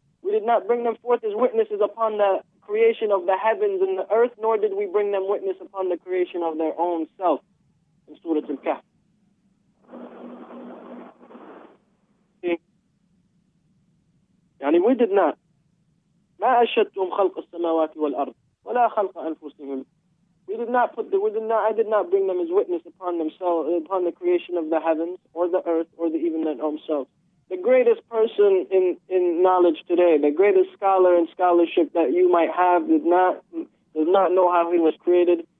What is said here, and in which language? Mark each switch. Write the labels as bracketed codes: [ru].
[en] We did not bring them forth as witnesses upon the creation of the heavens and the earth, nor did we bring them witness upon the creation of their own self. In Surah Al-Kahf. يعني we did not. [ar] ما أشهدتهم خلق السماوات والأرض ولا خلق أنفسهم. [en] I did not bring them as witness upon themselves, upon the creation of the heavens or the earth or the even their own selves. The greatest person in knowledge today, the greatest scholar in scholarship that you might have, does not know how he was created.